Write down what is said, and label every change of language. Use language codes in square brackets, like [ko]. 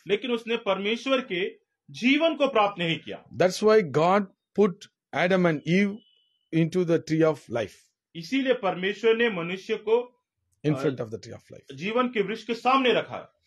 [hi] लेकिन उसने परमेश्वर के जीवन को प्राप्त नहीं किया. [en] That's why God put Adam and Eve into the tree of life. [hi] इसीलिए परमेश्वर ने मनुष्य को [en] in front of the tree of life, [hi] जीवन के वृक्ष के सामने रखा.